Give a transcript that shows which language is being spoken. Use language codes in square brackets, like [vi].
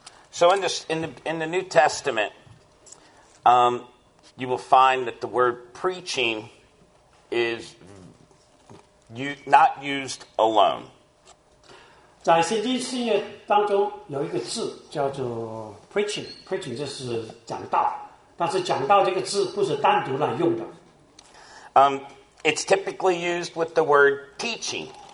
[en] So in the New Testament, you will find that the word preaching is not used alone. [zh] 在圣经新约当中有一个字叫做 preaching， preaching 就是讲道，但是讲道这个字不是单独来用的。 [en] It's typically used with the word teaching.